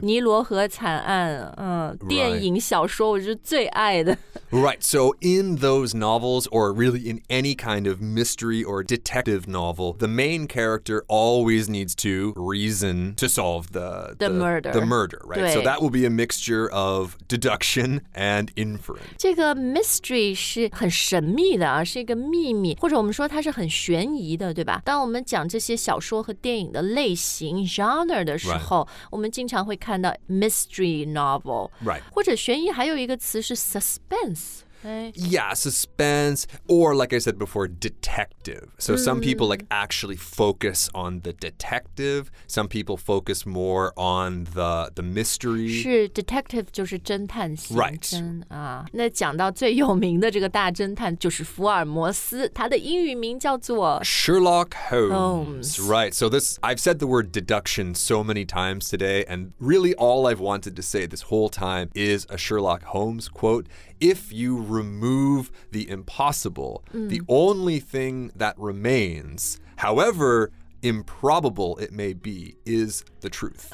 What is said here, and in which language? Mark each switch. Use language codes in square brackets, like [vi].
[zh] 尼罗河惨案、电影小说我是最爱的 [en] Right, so in those novels or really in any kind of mystery orDetective novel, the main character always needs to reason to solve the murder, right? So that will be a mixture of deduction and inference. [zh] 这个 mystery 是很神秘的啊，是一个秘密，或者我们说它是很悬疑的，对吧？当我们讲这些小说和电影的类型 genre 的时候， [en] right. [zh] 我们经常会看到 mystery novel, [en] right? [zh] 或者悬疑还有一个词是 suspense. right? [en] Yeah, suspense, or like I said before, detective. So some people like actually focus on the detective. Some people focus more on the mystery. [zh] 是 detective 就是侦探型 [en] Right. [zh] 那讲到最有名的这个大侦探就是福尔摩斯，他的英语名叫做 [en] Sherlock Holmes. Holmes. Right. So this, I've said the word deduction so many times today, and really all I've wanted to say this whole time is a Sherlock Holmes quote. If you remove the impossible, the only thing that remains, however improbable it may be, is the truth.